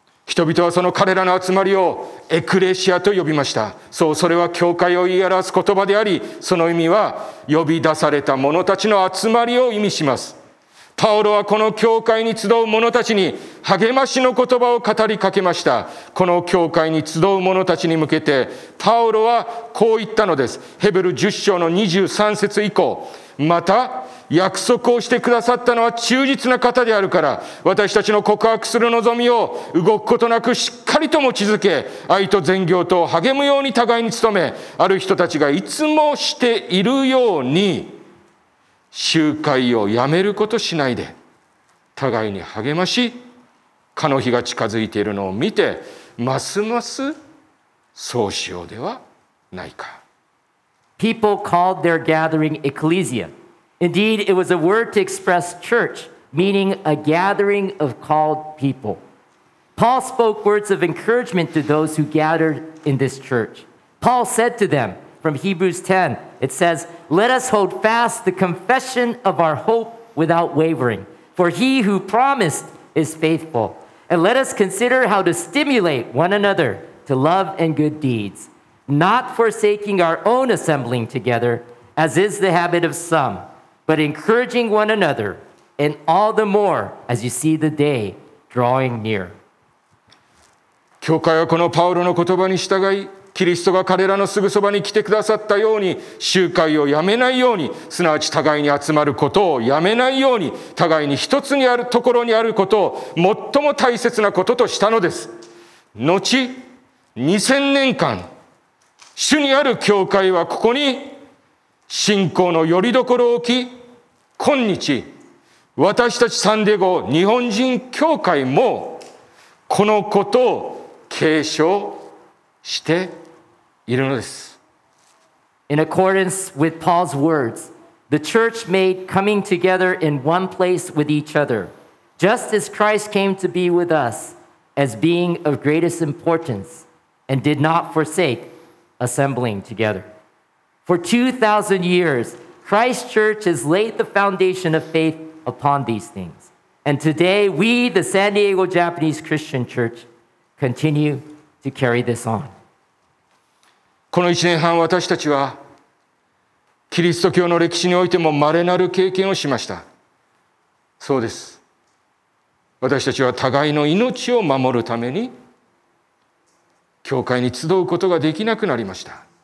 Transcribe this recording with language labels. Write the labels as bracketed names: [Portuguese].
[Japanese] 人々はその彼らの集まりをエクレシアと呼びました。そう、それは教会を言い表す言葉であり、その意味は呼び出された者たちの集まりを意味します。パウロはこの教会に集う者たちに励ましの言葉を語りかけました。この教会に集う者たちに向けて、パウロはこう言ったのです。ヘブル10章の23節以降、また、約束をしてくださったのは忠実な方であるから、私たちの告白する望みを動くことなくしっかりと持ち続け、愛と善行と励むように互いに努め、ある人たちがいつもしているように集会をやめることしないで、互いに励まし、かの日が近づいているのを見て、ますますそうしようではないか。 [English] People called their gathering ecclesia. Indeed, it was a word to express church, meaning a gathering of called people. Paul spoke words of encouragement to those who gathered in this church. Paul said to them, from Hebrews 10, it says, "Let us hold fast the confession of our hope without wavering, for he who promised is faithful. And let us consider how to stimulate one another to love and good deeds, not forsaking our own assembling together, as is the habit of some, but encouraging one another, and all the more as you see the day drawing near." [Japanese] 教会はこのパウロの言葉に従い、キリストが彼らのすぐそばに来てくださったように、集会をやめないように、すなわち互いに集まることをやめないように、互いに一つにあるところにあることを最も大切なこととしたのです。後2000年間主にある教会はここに信仰の拠り所を置き、今日私たちサンディエゴ日本人教会もこのことを継承しているのです。 [English] In accordance with Paul's words, the church made coming together in one place with each other, just as Christ came to be with us as being of greatest importance and did not forsake assembling together. For 2,000 years, Christ's church has laid the foundation of faith upon these things. And today, we, the San Diego Japanese Christian Church, continue to carry this on. [Japanese] この1年半、私たちはキリスト教の歴史においてもまれなる経験をしました。そうです。私たちは互いの命を守るために教会に集うことができなくなりました。